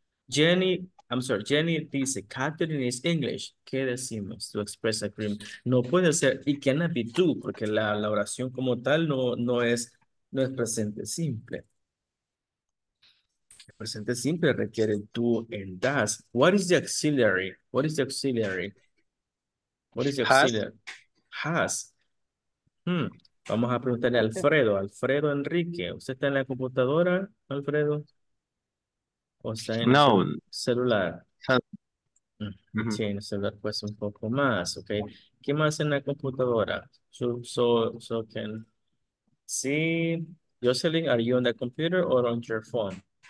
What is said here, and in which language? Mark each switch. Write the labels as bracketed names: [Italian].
[English] Jenny, I'm sorry, Jenny dice, Catherine is English. [Spanish] ¿Qué decimos [English] to express agreement? [Spanish] No puede ser, [English] it cannot be true, [Spanish] porque la oración como tal no es presente simple. El presente simple requiere tú en das. [English] What is the auxiliary? What is the auxiliary? What is the auxiliary? Has. Hmm. [Spanish] Vamos a preguntarle a Alfredo. Alfredo Enrique, ¿usted está en la computadora, Alfredo? ¿O está en el celular? Sí, en el celular cuesta un poco más. Okay. ¿Qué más en la computadora? [English] So can... Sí, Jocelyn, are you on the computer or on your phone?